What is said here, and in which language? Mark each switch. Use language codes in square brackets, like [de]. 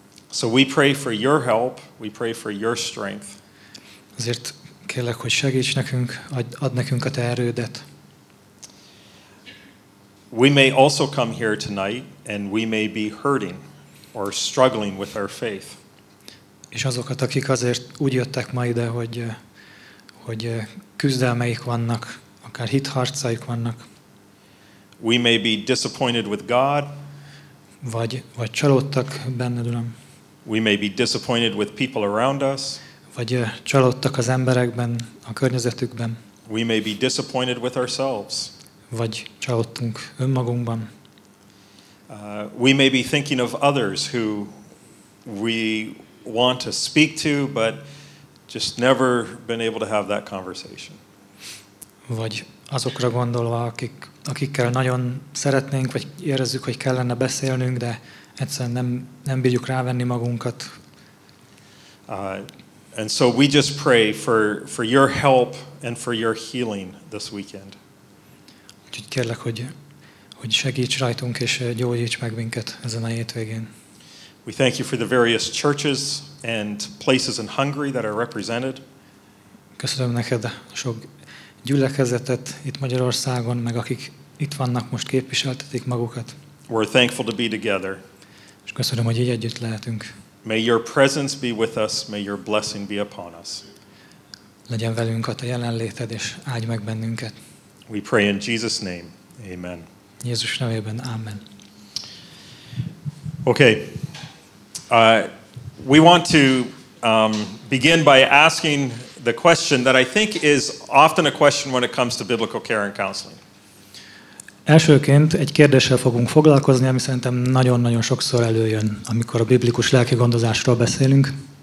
[en] So we pray for your help, we pray for your strength. [hu] Azért kérlek, hogy segíts nekünk, add nekünk a te erődet. [en] We may also come here tonight and we may be hurting or struggling with our faith. [hu] És azokat, akik azért úgy jöttek ma ide, hogy küzdelmeik vannak, akár hitharcaik vannak. [en] We may be disappointed with God. [hu] Vagy csalódtak benned, Uram. [en] We may be disappointed with people around us. [hu] Vagy csalódtak az emberekben, a környezetükben. [en] We may be disappointed with ourselves. [hu] Vagy csalódtunk önmagunkban. [en] We may be thinking of others who we want to speak to, but just never been able to have that conversation. [hu] Vagy azokra gondolva, akikkel nagyon szeretnénk, vagy érezzük, hogy kellene beszélnünk, de egyszerűen nem bírjuk rávenni magunkat. [en] And so we just pray for your help and for your healing this weekend. [hu] Úgyhogy kérlek, hogy segíts rajtunk, és gyógyíts meg minket ezen a hétvégén. [en] We thank you for the various churches and places in Hungary that are represented. [hu] Köszönöm neked sok gyülekezetet itt Magyarországon, meg akik itt vannak, most képviseltetik magukat. [en] We're thankful to be together. [hu] És köszönöm, hogy így együtt lehetünk. [en] May your presence be with us, may your blessing be upon us. [hu] Legyen velünk a te jelenléted, és áldj meg bennünket. [en] We pray in Jesus' name. Amen. [hu] Jézus nevében, amen. [en] Okay. We want to begin by asking the question that I think is often a question when it comes to biblical care and counseling. [hu] Elsőként egy kérdéssel fogunk foglalkozni, ami szerintem nagyon-nagyon sokszor előjön, amikor a biblikus lelkigondozásról beszélünk.